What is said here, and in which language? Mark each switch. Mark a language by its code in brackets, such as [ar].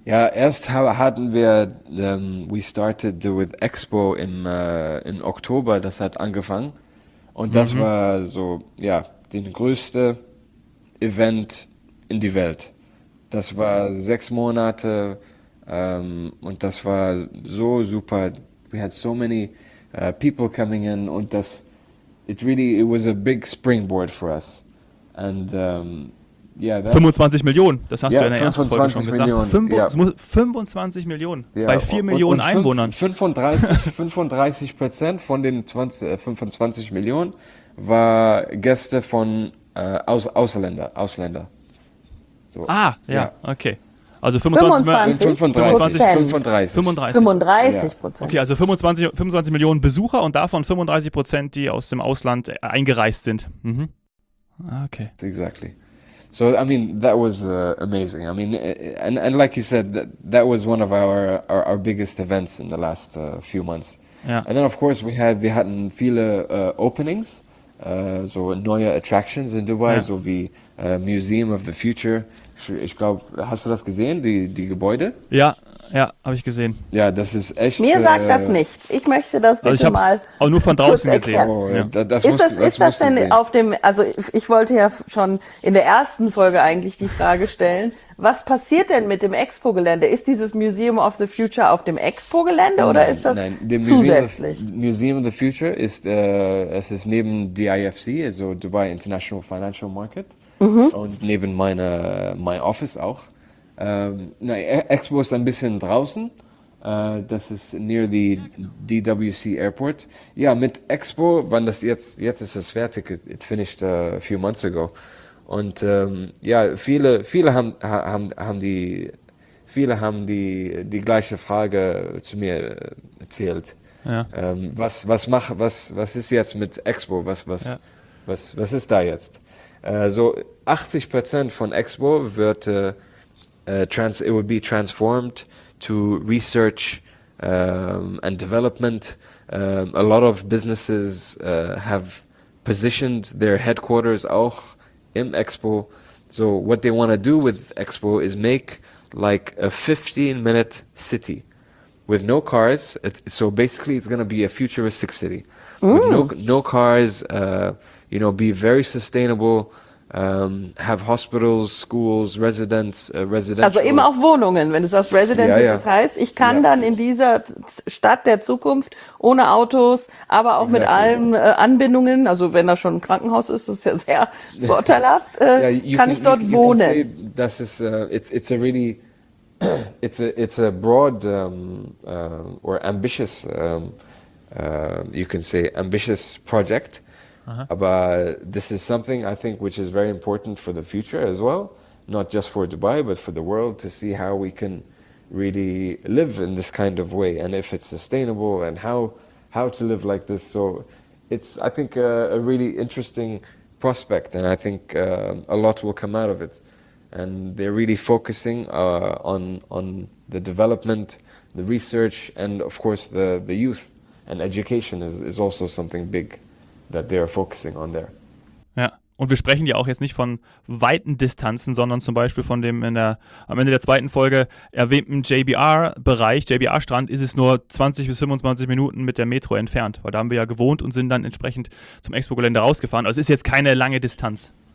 [de] Ja, erst hatten wir, [en] we started with Expo [de] im Oktober, das hat angefangen. Und das war so, ja, den größte Event in die Welt. Das war 6 Monate und das war so super. [en] We had so many people coming in [de] und das... [en] It was a big springboard for us. And yeah, that [de] 25 Millionen, das hast du in der ersten Folge schon gesagt. Millionen. 25 Millionen bei 4 Millionen und Einwohnern. 35% von den 25 Millionen war Gäste von Ausländer. So. Ah, ja, okay. Also 35 Prozent. Okay, also 25 Millionen Besucher und davon 35%, die aus dem Ausland eingereist sind. Okay. [en] Exactly. So, I mean, that was amazing. I mean, and like you said, that was one of our biggest events in the last few months. Yeah. And then, of course, [de] wir hatten viele openings, so neue attractions in Dubai, so wie Museum of the Future. Ich glaube, hast du das gesehen, die Gebäude? Ja, habe ich gesehen. Ja, das ist echt... Mir sagt das nichts. Ich möchte das bitte ich mal... Auch nur von draußen gesehen. Oh, ja. Ist das denn auf dem... Also ich wollte ja schon in der ersten Folge eigentlich die Frage stellen, was passiert denn mit dem Expo-Gelände? Ist dieses Museum of the Future auf dem Expo-Gelände oder ist das Museum of the Future ist, es ist neben DIFC, also Dubai International Financial Market. Und neben mein Office auch. Expo ist ein bisschen draußen. Das ist [en] near the [de] DWC Airport. Ja, mit Expo, wann das jetzt ist es fertig. [en] It finished a few months ago. [de] Und ja, viele haben die gleiche Frage zu mir erzählt. Ja. Was ist jetzt mit Expo? Was ist da jetzt? [en] So 80% [de] von Expo wird [en] it will be transformed to research and development. A lot of businesses have positioned their headquarters [de] auch im Expo. [en] So what they want to do with Expo is make like a 15-minute city with no cars. So basically, it's going to be a futuristic city with no cars. You know, be very sustainable. Have hospitals, schools, residents, residential. [de] Also eben auch Wohnungen, wenn du sagst Residences, das heißt, ich kann dann in dieser Stadt der Zukunft ohne Autos, aber auch mit allen Anbindungen, also wenn da schon ein Krankenhaus ist, das ist ja sehr vorteilhaft, wohnen. [en] You can say, [de] das ist, [en] it's a really, it's a broad or ambitious, you can say ambitious project. But this is something I think which is very important for the future as well, not just for Dubai, but for the world to see how we can really live in this kind of way and if it's sustainable and how to live like this. So it's, I think, a really interesting prospect and I think a lot will come out of it. And they're really focusing on the development, the research and, of course, the youth and education is also something big. That they are focusing on there. [de] Ja, und wir sprechen ja auch jetzt nicht von weiten Distanzen, sondern zum Beispiel von dem am Ende der zweiten Folge erwähnten JBR-Bereich, JBR-Strand, ist es nur 20 bis 25 Minuten mit der Metro entfernt, weil da haben wir ja gewohnt und sind dann entsprechend zum Expo-Gelände rausgefahren. Also es ist jetzt keine lange Distanz.